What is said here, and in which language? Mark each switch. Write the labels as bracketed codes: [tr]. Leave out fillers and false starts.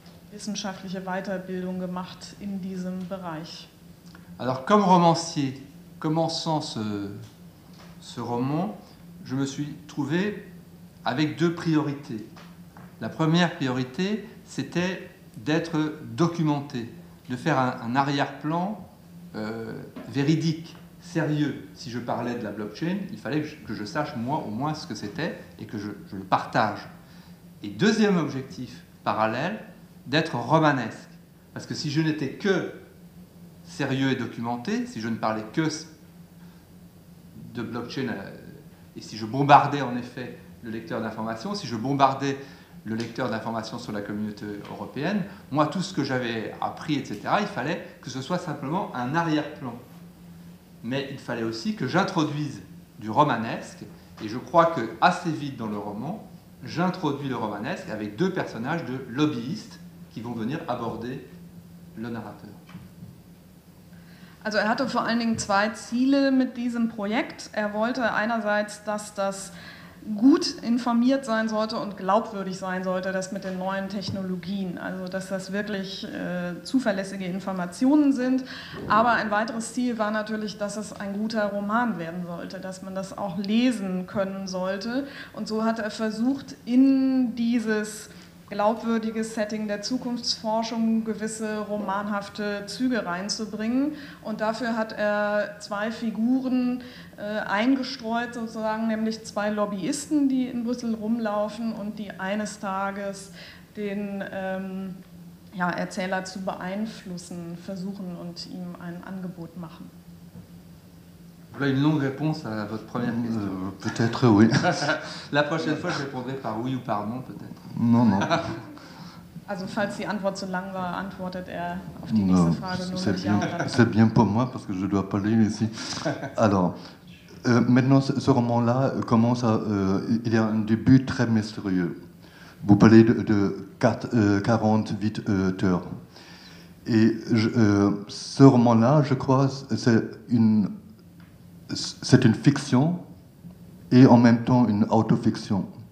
[de] wissenschaftliche Weiterbildung gemacht in diesem Bereich. [fr] Alors, comme romancier, commençant ce roman, je me suis trouvé avec deux priorités. La première priorité, c'était d'être documenté, de faire un arrière-plan véridique, sérieux. Si je parlais de la blockchain, il fallait que je sache moi au moins ce que c'était et que je le partage. Et deuxième objectif parallèle, d'être romanesque. Parce que si je n'étais que sérieux et documenté, si je ne parlais que de blockchain et si je bombardais en effet le lecteur d'informations, si je bombardais le lecteur d'informations sur la communauté européenne, moi tout ce que j'avais appris, etc., il fallait que ce soit simplement un arrière-plan. Mais il fallait aussi que j'introduise du romanesque, et je crois que assez vite dans le roman, j'introduis le romanesque avec deux personnages de lobbyistes qui vont venir aborder le narrateur. [de] Also er hatte vor allen Dingen zwei Ziele mit diesem Projekt. Er wollte einerseits, dass das gut informiert sein sollte und glaubwürdig sein sollte, das mit den neuen Technologien, also dass das wirklich zuverlässige Informationen sind. Aber ein weiteres Ziel war natürlich, dass es ein guter Roman werden sollte, dass man das auch lesen können sollte. Und so hat er versucht, in dieses glaubwürdiges Setting der Zukunftsforschung gewisse romanhafte Züge reinzubringen. Und dafür hat er zwei Figuren eingestreut, sozusagen, nämlich zwei Lobbyisten, die in Brüssel rumlaufen und die eines Tages den Erzähler zu beeinflussen versuchen und ihm ein Angebot machen. [fr] Voilà une longue réponse à votre première question. Peut-être oui. La prochaine fois, je répondrai par oui ou par non, peut-être. Non, non. [de] Also, falls die Antwort zu lang war, antwortet er auf die nächste Frage nur mit ja oder nein. [fr] C'est bien pour moi, parce que je dois parler ici. Alors, maintenant, ce roman-là commence à. Il y a un début très mystérieux. Vous parlez de 48 heures. Et ce roman-là, je crois, c'est une fiction et en même temps une autofiction.